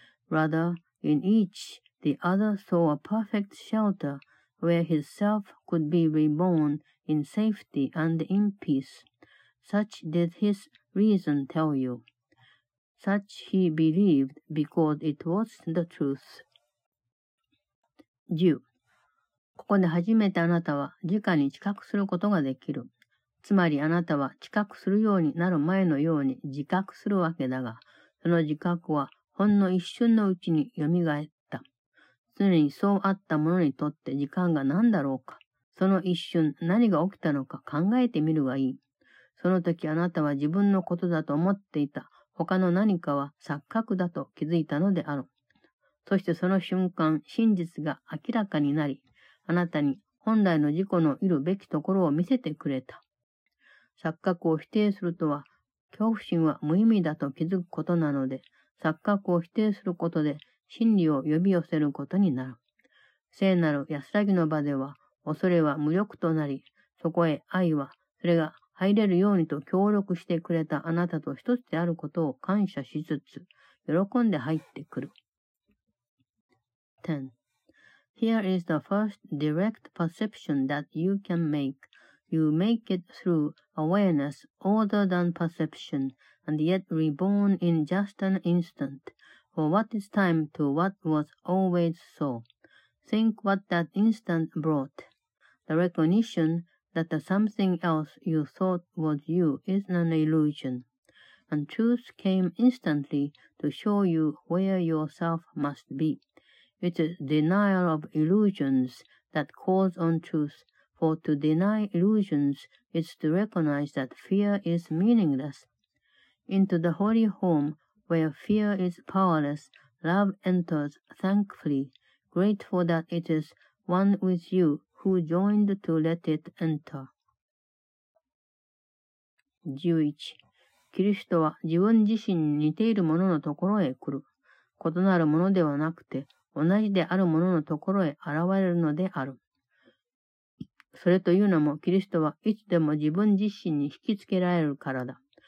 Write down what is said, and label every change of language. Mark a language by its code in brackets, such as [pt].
[en] Rather, in each, the other saw a perfect shelter where his self could be reborn in safety and in peace. Such did his reason tell you. Such he believed because it was the truth. 10. [ja] ここで初めてあなたは直に知覚することができる。つまりあなたは知覚するようになる前のように自覚するわけだが、その自覚はほんの一瞬のうちによみがえった。常にそうあったものにとって時間が何だろうか。その一瞬何が起きたのか考えてみるがいい。その時あなたは自分のことだと思っていた他の何かは錯覚だと気づいたのである。そしてその瞬間真実が明らかになり、あなたに本来の自己のいるべきところを見せてくれた。錯覚を否定するとは、恐怖心は無意味だと気づくことなので、錯覚を否定することで真理を呼び寄せることになる。聖なる安らぎの場では、恐れは無力となり、そこへ愛は、それが入れるようにと協力してくれたあなたと一つであることを感謝しつつ、喜んで入ってくる。 10. [en] Here is the first direct perception that you can make. You make it through awareness older than perception, and yet reborn in just an instant, for what is time to what was always so. Think what that instant brought. The recognition that the something else you thought was you is an illusion, and truth came instantly to show you where yourself must be. It is denial of illusions that calls on truth, for to deny illusions is to recognize that fear is meaningless. Into the holy home where fear is powerless, love enters thankfully, grateful that it is one with you who joined to let it enter. 11. [ja] キリストは自分自身に似ているもののところへ来る。異なるものではなくて、同じであるもののところへ現れるのである。それというのも、キリストはいつでも自分自身に引きつけられるからだ。